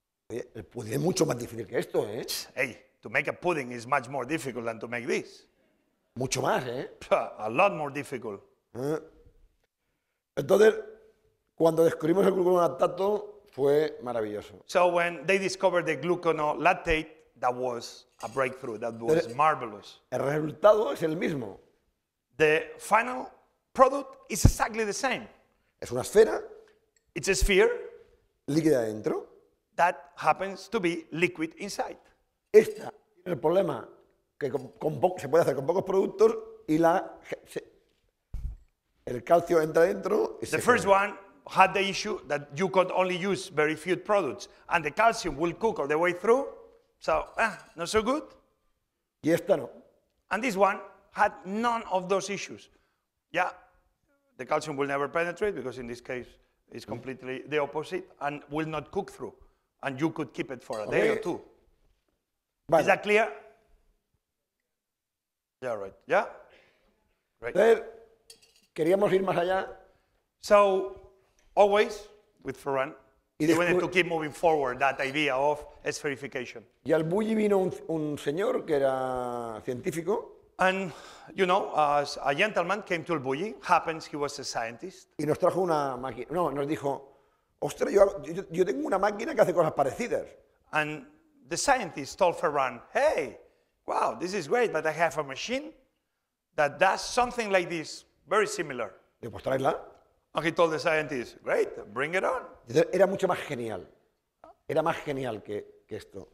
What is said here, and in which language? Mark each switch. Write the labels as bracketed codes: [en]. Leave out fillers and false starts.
[es] Oye, el pudding es mucho más difícil que esto, ¿eh? [en] Hey, to make a pudding is much more difficult than to make this. [es] Mucho más, ¿eh? [en] A lot more difficult. [es] Entonces, cuando descubrimos el gluconolactato, fue maravilloso. [en] So when they discovered the gluconolactate, that was a breakthrough, that was marvelous. [es] El resultado es el mismo. [en] The final product is exactly the same. [es] Es una esfera. [en] It's a sphere. [es] Líquida dentro. [en] That happens to be liquid inside. [es] Esta es el problema, que se puede hacer con pocos productos y el calcio entra dentro. [en] The first one had the issue that you could only use very few products, and the calcium will cook all the way through. So, not so good. [es] Y esta no. [en] And this one had none of those issues. Yeah, the calcium will never penetrate because in this case it's completely the opposite and will not cook through. And you could keep it for a day or two. Vale. Is that clear? Yeah, right. Yeah? [es] Right. Pero queríamos ir más allá. [en] So, always with Ferran, he wanted to keep moving forward that idea of spherification. [es] Y al Bulli vino un señor que era científico. [en] And, you know, as a gentleman came to elBulli, happens he was a scientist. [es] Y nos trajo una máquina. No, nos dijo, ostras, yo tengo una máquina que hace cosas parecidas. [en] And the scientist told Ferran, hey, wow, this is great, but I have a machine that does something like this, very similar. [es] Y pues tráela. [en] And he told the scientist, great, bring it on. [es] Era mucho más genial. Era más genial que esto.